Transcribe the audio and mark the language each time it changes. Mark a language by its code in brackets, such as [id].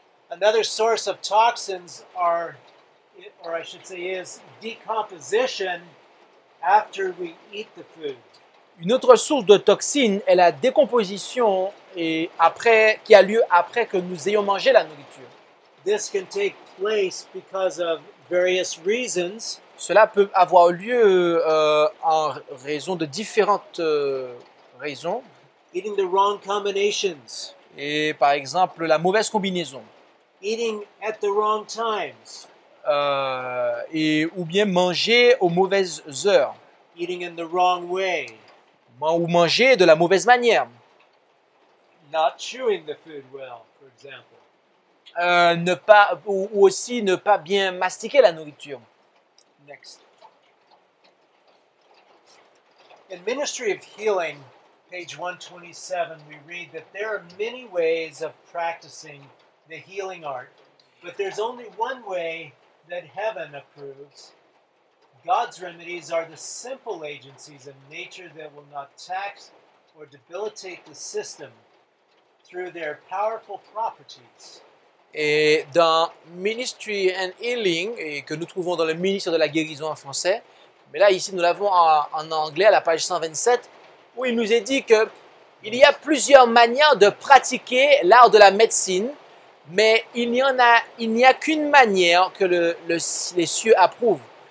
[en] Another source of toxins are, or I should say, is decomposition after we eat the food. [fr] Une autre source de toxines est la décomposition et après, qui a lieu après que nous ayons mangé la nourriture. [en] This can take place because of various reasons. [fr] Cela peut avoir lieu en raison de différentes raisons. [en] Eating the wrong combinations. [fr] Et par exemple, la mauvaise combinaison. [en] Eating at the wrong times. [fr] Et ou bien manger aux mauvaises heures. [en] Eating in the wrong way. [fr] Ou manger de la mauvaise manière. [en] Not chewing the food well, for example. [fr] Ne pas, ou aussi ne pas bien mastiquer la nourriture. [en] Next. In Ministry of Healing, page 127, we read that there are many ways of practicing the healing art, but there's only one way that heaven approves. God's remedies are the simple agencies of nature that will not tax or debilitate the system through their powerful properties. [fr] Et dans Ministry and Healing, et que nous trouvons dans le ministère de la guérison en français, mais là, ici, nous l'avons en anglais, à la page 127, où il nous est dit qu'il y a plusieurs manières de pratiquer l'art de la médecine, mais il n'y a qu'une manière que les cieux approuvent.